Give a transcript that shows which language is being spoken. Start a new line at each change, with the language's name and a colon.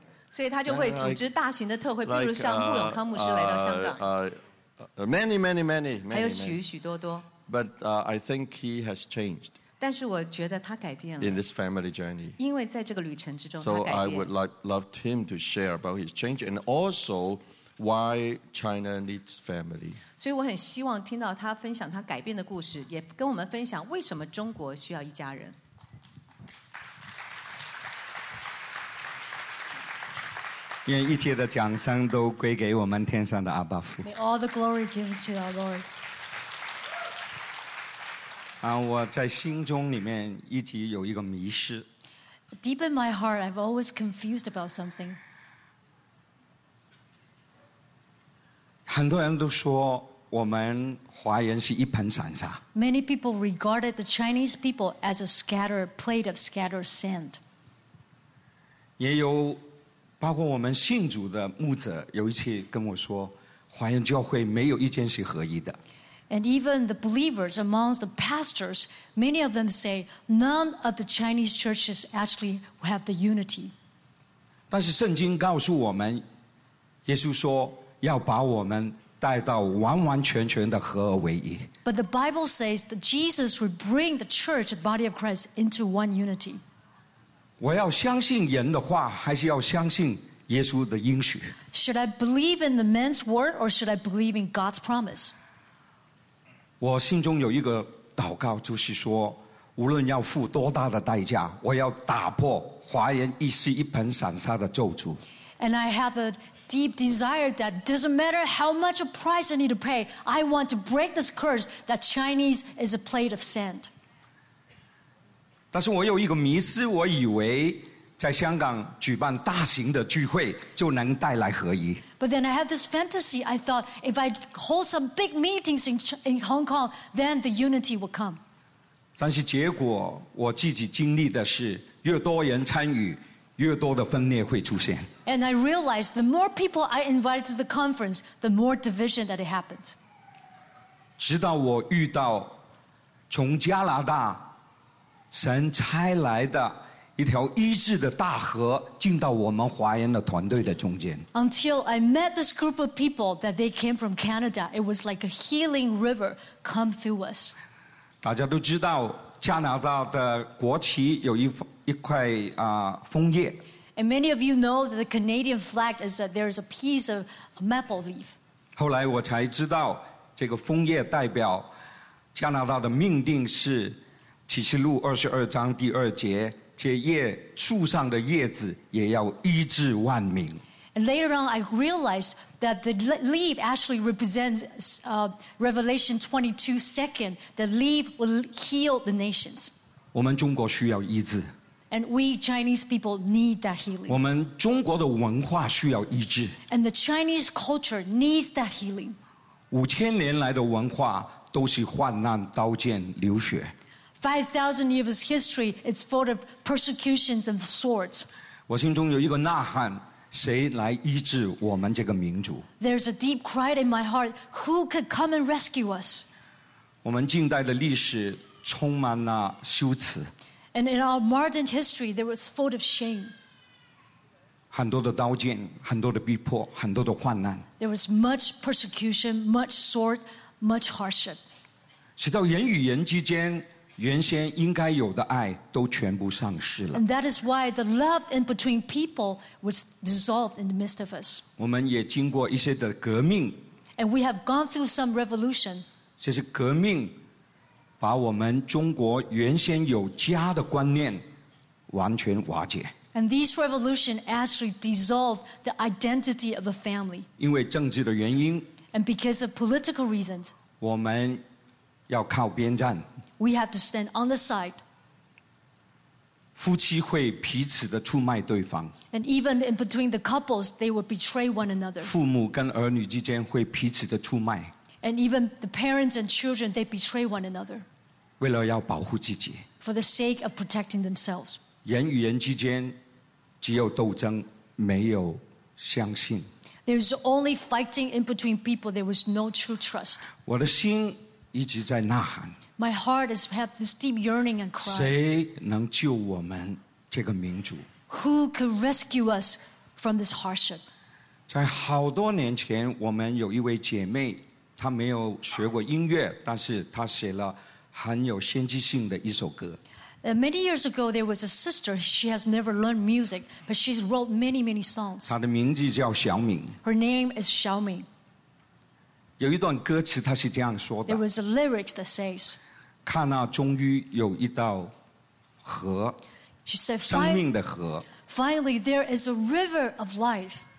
Chinese: 所以他就会组织大型的特会，比如像布永康牧师来到香港。
English: Many.
Chinese: 还有许许多多。
English: But I think he has changed.
Chinese: 但是我觉得他改变了。
English: In this family journey.
Chinese: 因为在这个旅程之中，他改变。
English: So I would like love him to share about his change and also why China needs family.
Chinese: 所以我很希望听到他分享他改变的故事，也跟我们分享为什么中国需要一家人。愿一切的掌声都归给我们天上的阿爸父。
English: May all the glory given to our Lord.
Chinese: 我在心中里面一直有一个迷失。
English: Deep in my heart, I've always confused about something.
Chinese: 很多人都说我们华人是一盆散沙。
English: Many people regarded the Chinese people as a scattered plate of scattered sand.
Chinese: 也有。包括我们信主的牧者有一次跟我说，华人教会没有一间是合一的。
English: And even the believers amongst the pastors, many of them say none of the Chinese churches actually have the unity.
Chinese: 但是圣经告诉我们，耶稣说要把我们带到完完全全的合而为一。
English: But the Bible says that Jesus would bring the church, the body of Christ, into one unity.
Chinese: 我要相信人的话，还是要相信耶稣的应许
English: ？Should I believe in the man's word, or should I believe in God's promise?
Chinese: 我心中有一个祷告，就是说，无论要付多大的代价，我要打破华人一时一盆散沙的咒诅。
English: And I have a deep desire that doesn't matter how much a price I need to pay, I want to break this curse that Chinese is a plate of sand.
Chinese: 但是我有一个迷思，我以为在香港举办大型的聚会就能带来合一。
English: But then I have this fantasy. I thought if I hold some big meetings in Hong Kong, then the unity will come.
Chinese: 但是结果我自己经历的是，越多人参与，越多的分裂会出现。
English: And I realized the more people I invited to the conference, the more division that it happened.
Chinese: 直到我遇到从加拿大神差来的一条医治的大河进到我们华人的团队的中间。
English: Until I met this group of people that they came from Canada, it was like a healing river come through us.
Chinese: 大家都知道加拿大的国旗有一块枫叶。
English: And many of you know that the Canadian flag is that there is a piece of a maple leaf.
Chinese: 后来我才知道这个枫叶代表加拿大的命定是启示录二十二章第二节。树上的叶子也要医治万民。
English: And later on, I realized that the leaf actually represents Revelation 22, second. The leaf will heal the nations.
Chinese: 我们中国需要医治。
English: And we Chinese people need that healing.
Chinese: 我们中国的文化需要医治。
English: And the Chinese culture needs that healing.
Chinese: 5000年来的文化都是患难、刀剑、流血。
English: 5,000 years of history, it's full of persecutions and swords.
Chinese: 我心中有一个呐喊，谁来医治我们这个民族？
English: There's a deep cry in my heart, who could come and rescue us?
Chinese: 我们近代的历史充满了羞耻。
English: And in our modern history, there was full of shame.
Chinese: 很多的刀剑，很多的逼迫，很多的患难。
English: There was much persecution, much sword, much hardship.
Chinese: 直到人与人之间原先应该有的爱都全部丧失了。
English: And that is why the love in between people was dissolved in the midst of us.
Chinese: 我们也经过一些的革命。
English: And we have gone through some revolution.
Chinese: 这些革命把我们中国原先有家的观念完全瓦解。
English: And these revolutions actually dissolved the identity of a family.
Chinese: 因为政治的原因。
English: And because of political reasons.
Chinese: 我们要靠边站。
English: We have to stand on the side.
Chinese: 夫妻会彼此的出卖对方。
English: And even in between the couples, they would betray one another.
Chinese: 父母跟儿女之间会彼此的出卖。
English: And even the parents and children, they betray one another.
Chinese: 为了要保护自己。
English: For the sake of protecting themselves.
Chinese: 人与人之间只有斗争，没有相信。
English: There's only fighting in between people. There was no true trust.
Chinese: 我的心一直在呐喊。
English: My heart has had this deep yearning and cry.
Chinese: 谁能救我们这个民族？
English: Who could rescue us from this hardship?
Chinese: 在好多年前，我们有一位姐妹，她没有学过音乐，但是她写了很有先知性的一首歌。
English: Many years ago, there was a sister. She has never learned music, but she's wrote many, many songs.
Chinese: 她的名字叫小敏。
English: Her name is 小敏。
Chinese: 有一段歌词他是这样说的。
English: There was a lyric that says,
Chinese: 看那终于有一道河。
English: She said,
Chinese: 生命的河。
English: Finally, there is a river of life.